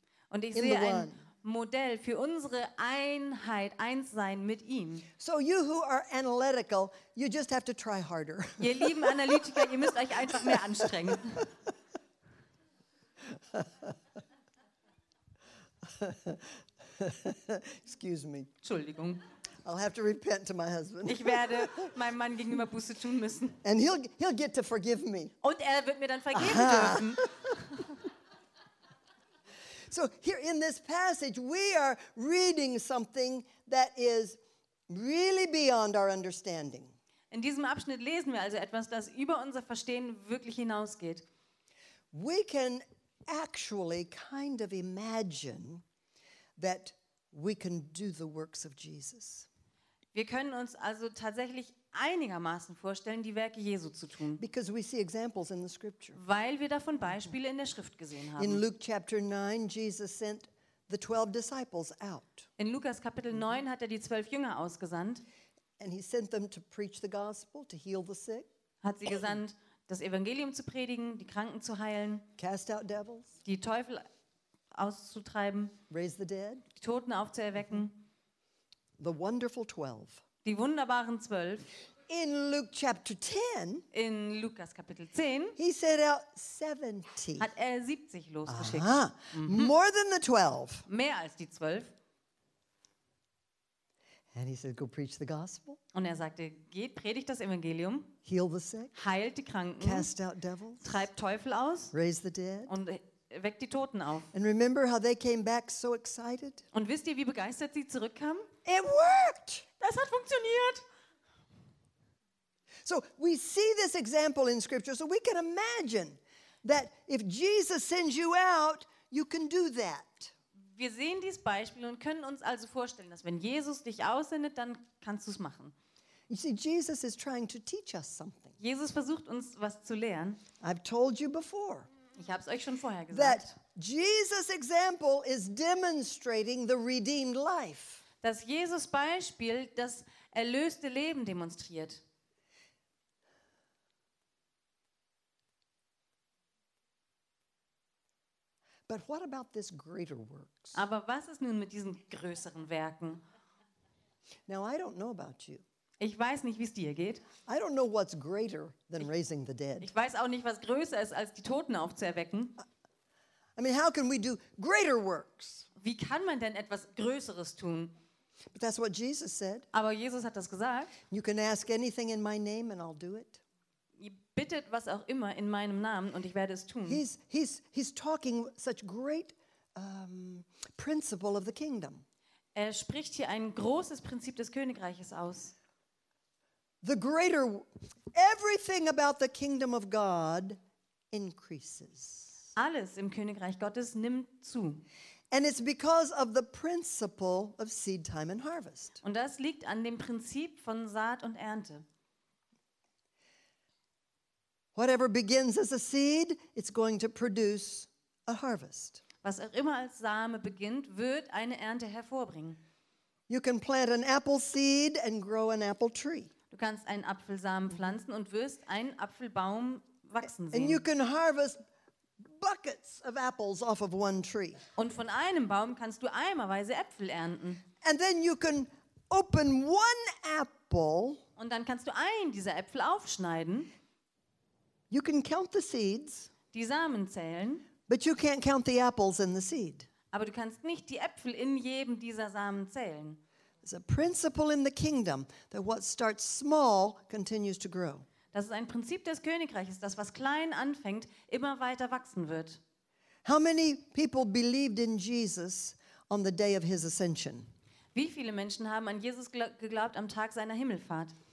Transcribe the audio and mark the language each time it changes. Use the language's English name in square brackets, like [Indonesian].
[German] Und ich sehe ein Modell für unsere Einheit, Einssein mit ihm. [English] So you who are analytical, you just have to try harder. [German] Ihr lieben Analytiker, ihr müsst euch einfach mehr anstrengen. [English] Excuse me. [German] Entschuldigung. [English] I'll have to repent to my husband. [German] Ich werde meinem Mann gegenüber Buße tun müssen. [English] And he'll get to forgive me. [German] Und wird mir dann vergeben dürfen. [English] So here in this passage we are reading something that is really beyond our understanding. [German] In diesem Abschnitt lesen wir also etwas, das über unser Verstehen wirklich hinausgeht. [English] We can actually kind of imagine that we can do the works of Jesus. [German] Wir können uns also tatsächlich einigermaßen vorstellen, die Werke Jesu zu tun. [English] Because we see examples in the scripture. [German] Weil wir davon Beispiele in der Schrift gesehen haben. [English] In Luke chapter 9 Jesus sent the 12 disciples out. [German] In Lukas Kapitel 9 hat die 12 Jünger ausgesandt. [English] And he sent them to preach the gospel, to heal the sick. [German] Hat sie gesandt, das Evangelium zu predigen, die Kranken zu heilen. [English] Cast out devils. [German] Die Teufel auszutreiben, [English] raise the dead, [German] die Toten aufzuerwecken. [English] The wonderful 12. [German] Die wunderbaren 12. [English] In Luke chapter 10. [German] In Lukas Kapitel 10. [English] He sent out 70. [German] Hat er 70 losgeschickt. [English] Aha. More than the 12. [German] Mehr als die 12. [English] And he said, go preach the gospel. [German] Und er sagte, geht, predigt das Evangelium. [English] Heal the sick. [German] Heilt die Kranken. [English] Cast out devils. [German] Treibt Teufel aus. [English] Raise the dead. [German] Und weckt die Toten auf. [English] And remember how they came back so excited? [German] Und wisst ihr, wie begeistert sie zurückkamen? [English] It worked. [German] Das hat funktioniert. [English] So we see this example in scripture, so we can imagine that if Jesus sends you out, you can do that. [German] Wir sehen dieses Beispiel und können uns also vorstellen, dass wenn Jesus dich aussendet, dann kannst du es machen. [English] You see, Jesus is trying to teach us something. [German] Jesus versucht uns was zu lehren. [English] I've told you before. [German] Ich habe es euch schon vorher gesagt. [English] That Jesus' example is demonstrating the redeemed life. [German] Dass Jesus Beispiel das erlöste Leben demonstriert. [English] But what about this greater works? [German] Aber was ist nun mit diesen größeren Werken? [English] Now I don't know about you. [German] Ich weiß nicht, wie es dir geht. [English] I don't know what's greater than raising the dead. [German] Ich weiß auch nicht, was größer ist, als die Toten aufzuerwecken. [English] I mean, how can we do greater works? [German] Wie kann man denn etwas Größeres tun? [English] But that's what Jesus said. [German] Aber Jesus hat das gesagt. [English] You can ask anything in my name and I'll do it. [German] Bittet was auch immer in meinem Namen und ich werde es tun. [English] He's talking such great principle of the kingdom. [German] Er spricht hier ein großes Prinzip des Königreiches aus. [English] The greater everything about the kingdom of God increases. [German] Alles im Königreich Gottes nimmt zu. [English] And it's because of the principle of seed time and harvest. [German] Und das liegt an dem Prinzip von Saat und Ernte. [English] Whatever begins as a seed, it's going to produce a harvest. [German] Was auch immer als Same beginnt, wird eine Ernte hervorbringen. [English] You can plant an apple seed and grow an apple tree. [German] Du kannst einen Apfelsamen pflanzen und wirst einen Apfelbaum wachsen sehen. [English] And you can harvest buckets of apples off of one tree. [German] Und von einem Baum kannst du eimerweise Äpfel ernten. [English] And then you can open one apple. [German] Und dann kannst du einen dieser Äpfel aufschneiden. [English] You can count the seeds. [German] Die Samen zählen. [English] But you can't count the apples in the seed. [German] Aber du kannst nicht die Äpfel in jedem dieser Samen zählen. [English] It's a principle in the kingdom that what starts small continues to grow. [German] Das ist ein Prinzip des Königreiches, dass was klein anfängt, immer weiter wachsen wird. [English] How many people believed in Jesus on the day of his ascension? [German] Wie viele Menschen haben an Jesus geglaubt am Tag seiner Himmelfahrt?